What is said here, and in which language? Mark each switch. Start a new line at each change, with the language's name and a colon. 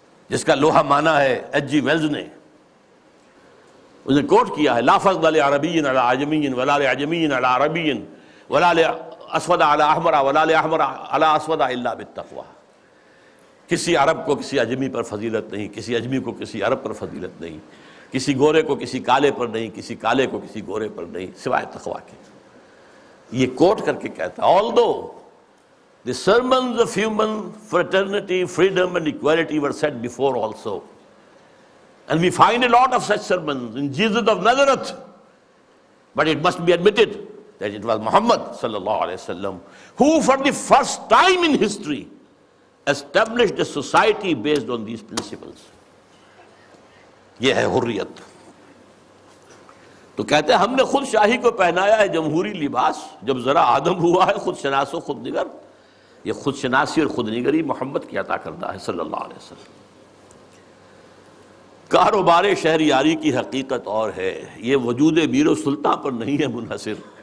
Urdu: جس کا لوہا مانا ہے ایچ جی ویلز نے، اس نے کوٹ کیا ہے،
Arabic: لا فضل لعربین علی عجمین ولا لعجمین علی عربین ولا لأسود علی احمر ولا لأحمر علی اسود الا بالتقوی.
Urdu: کسی عرب کو کسی اجمی پر فضیلت نہیں، کسی اجمی کو کسی عرب پر فضیلت نہیں، کسی گورے کو کسی کالے پر نہیں، کسی کالے کو کسی گورے پر نہیں، سوائے تقوی کے. یہ کوٹ کر کے کہتا ہے،
English: Although The sermons of human fraternity, freedom and equality were said before also. And we find a lot of such sermons in Jesus of Nazareth. But it must be admitted that it was Muhammad sallallahu alaihi wasallam who for the first time in history established a society based on these principles.
Urdu: Yeh hai hurriyat. تو کہتے ہیں ہم نے خود شاہی کو پہنایا ہے جمہوری لباس, جب ذرا آدم ہوا ہے خود شناس و خود نگر. یہ خود شناسی اور خود نگری محمد کی عطا کردہ ہے صلی اللہ علیہ وسلم. کاروبار شہریاری کی حقیقت اور ہے, یہ وجود میر و سلطان پر نہیں ہے منحصر.